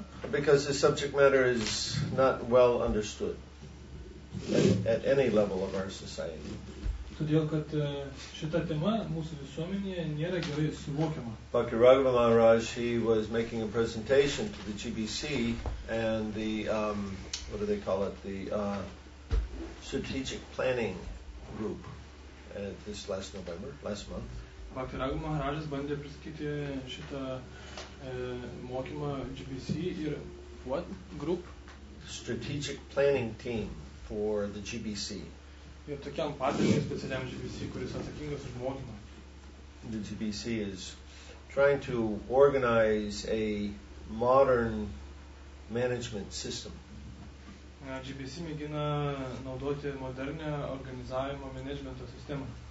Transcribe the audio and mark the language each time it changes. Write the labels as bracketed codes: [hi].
[en] Because the subject matter is not well understood at any level of our society. [lt] Todėl, kad šita tema mūsų visuomenėje nėra gerai suvokiama. [en] Bhakti Raghava Maharaj, he was making a presentation to the GBC and the, what do they call it, the strategic planning group at this last November, last month. [lt] Bhakti Raghava Maharajas bandė pristatyti šitą mokymą GBC ir [en] what group? Strategic planning team for the GBC. [lt] Ir tokiam padaliniui specialiam GBC, kuris atsakingas už mokymą. [en] The GBC is trying to organize a modern management system. [lt] GBC mėgina naudoti modernę organizavimo managemento sistemą.